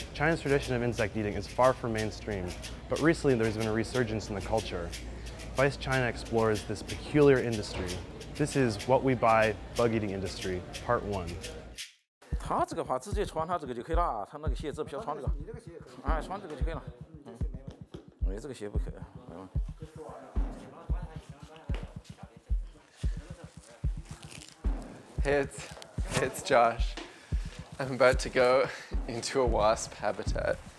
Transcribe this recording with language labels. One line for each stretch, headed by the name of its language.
English: China's tradition of insect eating is far from mainstream, but recently there's been a resurgence in the culture. VICE China explores this peculiar industry. This is What We Buy, Bug Eating Industry, Part 1.
Chinese: 它这个袍子直接穿它这个就可以了，它那个鞋子比较长这个。哎，穿这个就可以了。嗯，没这个鞋不可以。嗯。
English: It's Josh. I'm about to go into a wasp habitat.